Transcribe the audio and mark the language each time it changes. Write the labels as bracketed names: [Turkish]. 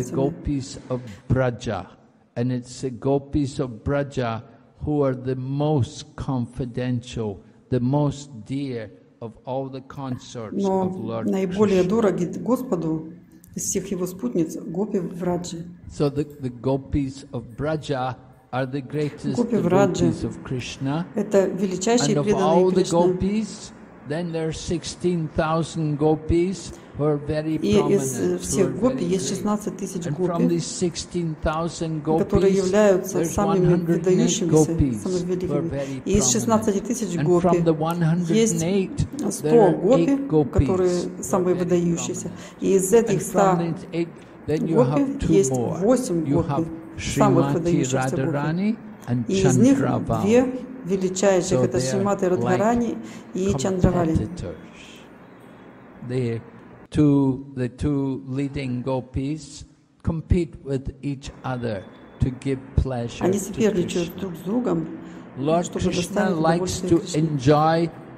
[Russian] И это гопи Браджа, которые самые конфиденциальные, [English] the most dear of all the consorts of Lord Krishna. [Russian] Наиболее дороги Господу из всех его спутниц гопи Враджи. [English] So the gopis of Braja are the greatest devotees of Krishna. [Russian] Это величайшие преданные Кришны. [English] And of all the gopis, then there are 16,000 gopis who are very prominent. [Russian] И из всех гопи есть 16,000 гопи. [English] And from these 16,000 gopis, [Russian] которые являются самыми выдающимися, самыми великими. И из 16,000 гопи есть 100 гопи, которые самые выдающиеся. И из этих 100 гопи есть 8 гопи, самых выдающихся гопи. И из них 2 величайших, это Шримати Радхарани и Чандравали. [English] The two leading gopis compete with each other to give pleasure. [Russian] Они соперничают друг с другом, чтобы доставить удовольствие Кришне.